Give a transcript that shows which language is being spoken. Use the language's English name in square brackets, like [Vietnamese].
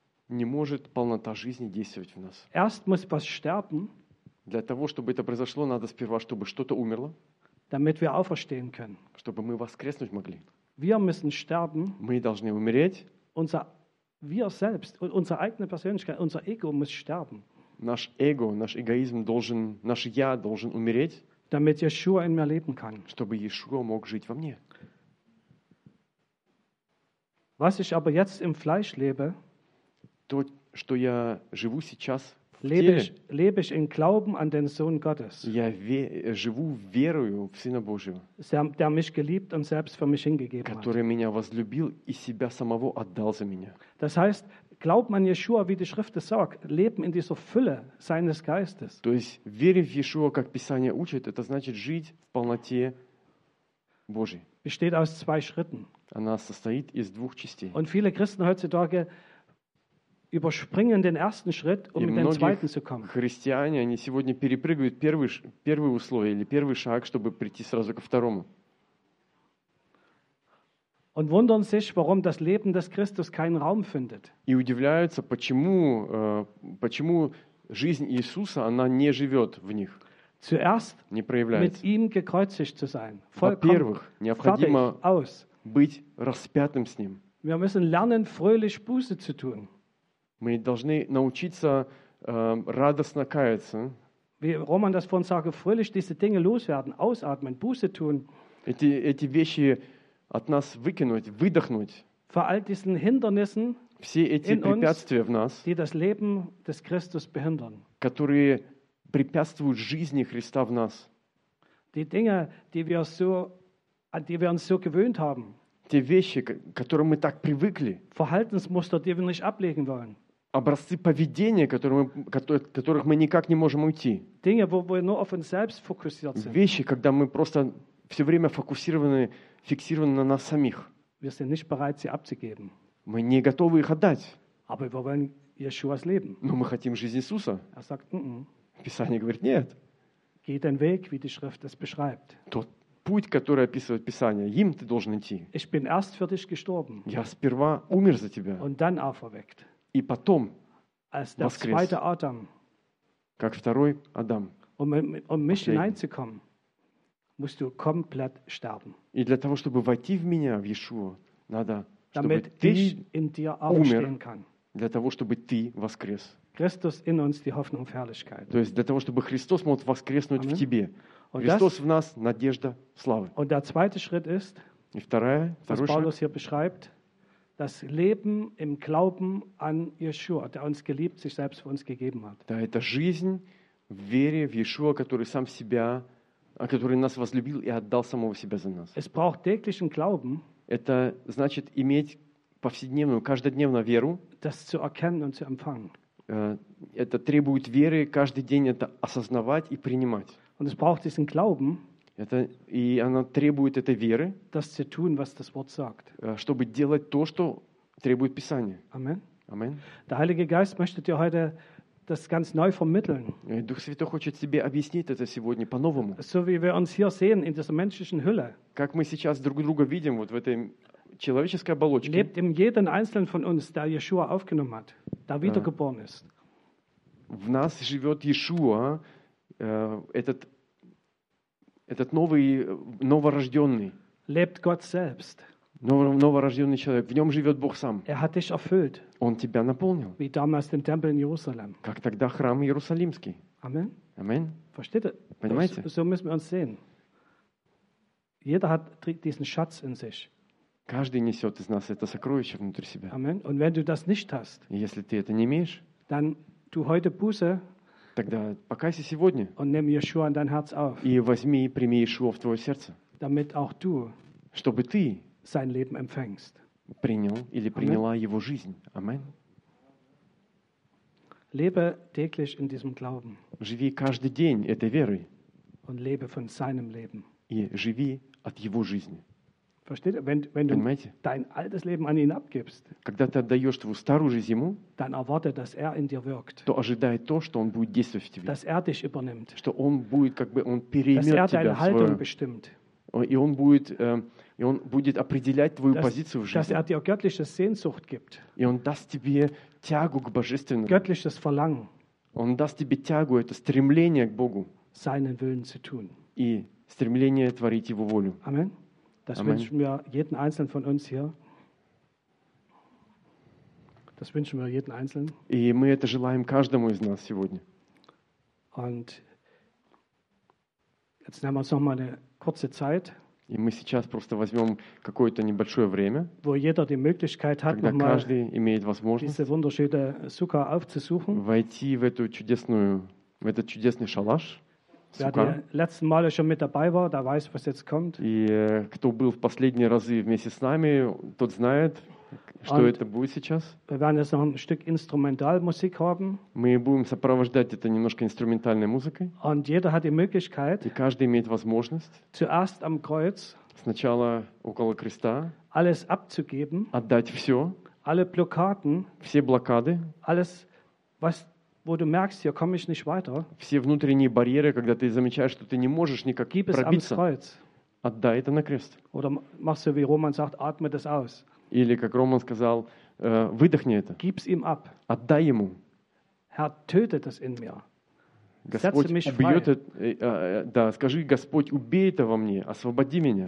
[Russian] Не может полнота жизни действовать в нас. [German] Erst muss was sterben. [Russian] Для того, чтобы это произошло, надо сперва, чтобы что-то умерло. [German] Damit wir auferstehen können. [Russian] Чтобы мы воскреснуть могли. [German] Wir müssen sterben. [Russian] Мы должны умереть. [German] Unser wir selbst und unsere eigene Persönlichkeit, unser Ego muss sterben. [Russian] Наш эго, наш эгоизм должен, наш я должен умереть. [German] Damit Yeshua in mir leben kann. [Russian] Чтобы Иешуа мог жить во мне. [German] Was ich aber jetzt im Fleisch lebe, [Russian] то, что я живу сейчас в лебе, теле, [German] lebe ich in Glauben an den Sohn Gottes. [Russian] Я живу верою в Сына Божьего. [German] Der mich geliebt und selbst für mich hingegeben [Russian] который [German] hat. [Russian] Который меня возлюбил и себя самого отдал за меня. [German] Das heißt, Glauben an Yeshua, wie die Schrift es sagt, leben in dieser Fülle seines Geistes. [Russian] То есть, верить в Иешуа, как Писание учит, это значит жить в полноте Божьей. [German] Besteht aus zwei Schritten. [Russian] Она состоит из двух частей. [German] Und viele Christen heutzutage überspringen den ersten Schritt, um mit dem zweiten zu kommen. [Russian] Христиане, они сегодня перепрыгивают первые условия или первый шаг, чтобы прийти сразу ко второму. [German] Und wundern sich, warum das Leben des Christus keinen Raum findet. [Russian] И удивляются, почему жизнь Иисуса, она не живет в них. [German] Zuerst [Russian] не проявляется. [German] Mit ihm gekreuzigt zu sein. [Russian] Во-первых, необходимо быть распятым с ним. [German] Wir müssen lernen, fröhlich Buße zu tun. [Russian] Мы должны научиться радостно каяться. [German] Wie Roman das vorhin sagte, fröhlich diese Dinge loswerden, ausatmen, Buße tun. [Russian] Эти вещи от нас выкинуть, выдохнуть. [German] Vor all diesen Hindernissen, [Russian] все эти препятствия в нас, [German] die das Leben des Christus behindern. [Russian] Которые препятствуют жизни Христа в нас. [German] Die Dinge, die wir uns so gewöhnt haben. [Russian] Те вещи, к которым мы так привыкли. [German] Verhaltensmuster, die wir nicht ablegen wollen. [Russian] Образцы поведения, которых мы никак не можем уйти. [German] Dinge, wo wir nur auf uns selbst fokussiert sind. [Russian] Вещи, когда мы просто все время фиксированы на нас самих. [German] Wir sind nicht bereit, sie abzugeben. [Russian] Мы не готовы их отдать. [German] Aber wir wollen Jesuas leben. [Russian] Но мы хотим жизнь Иисуса. [German] Er sagt, n-n. [Russian] Писание говорит, нет. [German] Geht den Weg, wie die Schrift es beschreibt. [Russian] Тот путь, который описывает Писание, им ты должен идти. [German] Ich bin erst für dich gestorben. [Russian] Я сперва умер за тебя. [German] Und dann auferweckt. [Russian] И потом [German] als der [Russian] воскрес. [German] Zweite Adam. [Russian] Как второй Адам. [German] Um mich hineinzukommen, musst du komplett sterben. [Russian] И для того, чтобы войти в меня, в Иешуа, надо, [German] damit [Russian] чтобы ты [German] in dir aufstehen kann. [Russian] Для того, чтобы ты воскрес. [German] Christus in uns die Hoffnung auf Herrlichkeit. [Russian] То есть для того, чтобы Христос мог воскреснуть Amen. В тебе. Христос в нас надежда славы. [German] Und der zweite Schritt ist, [Russian] и вторая, второй [German] was Paulus hier beschreibt, das Leben im Glauben an Yeshua, der uns geliebt, sich selbst für uns gegeben hat. [Russian] Да, это жизнь в вере в Иешуа, который сам себя, который нас возлюбил и отдал самого себя за нас. [German] Es braucht täglichen Glauben. [Russian] Это значит иметь повседневную, каждодневную веру. [German] Das zu erkennen und zu empfangen. [Russian] Это требует веры, каждый день это осознавать и принимать. [German] Und es braucht diesen Glauben. [Russian] Это, и она требует этой веры, [German] das zu tun, was das Wort sagt. [Russian] Чтобы делать то, что требует Писание. [German] Amen. [Russian] Amen. [German] Der Heilige Geist möchte dir heute das ganz neu vermitteln. [Russian] Дух Святой хочет тебе объяснить это сегодня по-новому. [German] So wie wir uns hier sehen in dieser menschlichen Hülle. [Russian] Как мы сейчас друг друга видим вот в этой человеческой оболочке. [German] Lebt in jedem einzelnen von uns, der Yeshua aufgenommen hat, der wiedergeboren ist. [Russian] В нас живет Иешуа, этот этот новый, новорожденный. [German] Lebt Gott selbst. [Russian] Новорожденный человек. В нем живет Бог сам. [German] Er hat dich erfüllt. [Russian] Он тебя наполнил. [German] Wie damals den Tempel in Jerusalem. [Russian] Как тогда храм Иерусалимский. [German] Amen. [Russian] Amen. [German] Versteht ihr? [Russian] Понимаете? [German] So müssen wir uns sehen. Jeder trägt diesen Schatz in sich. [Russian] Каждый несет из нас это сокровище внутри себя. Amen. [German] Und wenn du das nicht hast, [Russian] если ты это не имеешь, [German] dann tu heute Buße. [Russian] Тогда покайся сегодня [German] und nimm Yeshua in dein Herz auf, [Russian] и возьми и прими Иешуа в твое сердце, [German] damit auch du, [Russian] чтобы ты [German] sein Leben empfängst. [Russian] Принял или приняла Amen. Его жизнь. Amen. [German] Lebe täglich in diesem Glauben. [Russian] Живи каждый день этой верой [German] und lebe von seinem Leben. [Russian] И живи от Его жизни. [German] Versteht? Wenn du [Russian] понимаете? [German] Dein altes Leben an ihn abgibst, [Russian] когда ты отдаешь твою старую жизнь ему, [German] dann erwartet, dass er in dir wirkt, [Russian] то ожидает то, что он будет действовать в тебе, [German] dass er dich übernimmt, [Russian] что он будет как бы он переймет [German] dass er [Russian] тебя, [German] deine Haltung [Russian] свою, [German] bestimmt, [Russian] и он будет определять твою [German] dass, [Russian] позицию в жизни, [German] dass er dir göttliche Sehnsucht gibt, [Russian] и он даст тебе тягу к божественному, [German] göttliches Verlangen, [Russian] он даст тебе тягу, это стремление к Богу, [German] seinen Willen zu tun, [Russian] и стремление творить его волю. [German] Amen. Das Amen. Wünschen wir jeden einzelnen von uns hier. Das wünschen wir jeden einzelnen. [Russian] И мы это желаем каждому из нас сегодня. [German] Und jetzt nehmen wir uns noch mal eine kurze Zeit. [Russian] И мы сейчас просто возьмем какое-то небольшое время. [German] Wo jeder die Möglichkeit hat, [Russian] когда каждый имеет возможность. [German] Diese wunderschöne Sukkah aufzusuchen. [Russian] Войти в эту чудесную, в этот чудесный шалаш. [German] Wer die letzten Male schon mit dabei war, der weiß, was jetzt kommt. [Russian] И кто был в последние разы вместе с нами, тот знает, что это будет сейчас. [German] Wir werden jetzt noch ein Stück Instrumentalmusik haben. [Russian] Мы будем сопровождать это немножко инструментальной музыкой. [German] Und jeder hat die Möglichkeit. [Russian] И каждый имеет возможность. [German] Zuerst am Kreuz. [Russian] Сначала около креста. [German] Alles abzugeben. [Russian] Отдать все. [German] Alle Blockaden. [Russian] Все блокады. [German] Alles, was wo du merkst, hier komme ich nicht weiter. [Russian] Все внутренние барьеры, когда ты замечаешь, что ты не можешь никак пробиться. Отдай это на крест. [German] Oder machst du, wie Roman sagt, atme das aus. [Russian] Или как Роман сказал, выдохни это. [German] Gib's ihm ab. [Russian] Отдай ему. [German] Herr, töte das in mir. [Russian] Господь убьет это, да, скажи, Господь, убей это во мне, освободи меня.